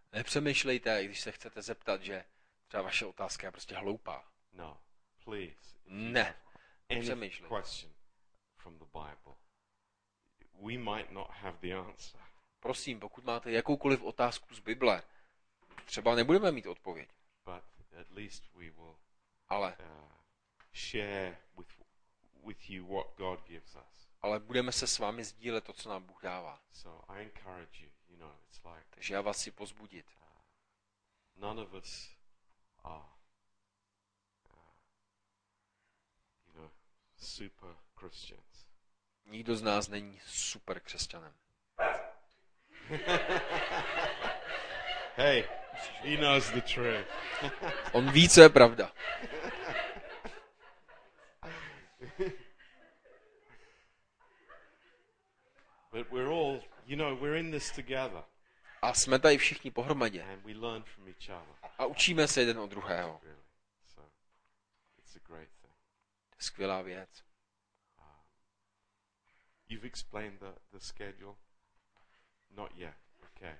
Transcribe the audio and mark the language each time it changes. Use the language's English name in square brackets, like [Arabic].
[Czech] Nepřemýšlejte, když se chcete zeptat, že třeba vaše otázka je prostě hloupá. [English] No, please. [Czech] Ne. Nepřemýšlejte. [English] Any question from the Bible, we might not have the answer. [Czech] Prosím, pokud máte jakoukoliv otázku z Bible, třeba nebudeme mít odpověď. [English] But at least we will, [Czech] ale [English] share with you what God gives us. [Czech] Ale budeme se s vámi sdílet to, co nám Bůh dává. [English] So I encourage you, you know, it's like, [Czech] takže já vás si pozbudit. [English] None of us are, you know, super Christians. [Czech] Nikdo z nás není super křesťanem. [English] Hey, he knows the truth. [Czech] On ví, co je pravda. [English] But we're all, you know, we're in this together. [Czech] A jsme tady všichni pohromadě. [English] And we learn from each other. [Czech] A učíme se jeden od druhého. [English] So, it's a great thing. [Czech] Skvělá věc. [English] You've explained the schedule. Not yet. Okay.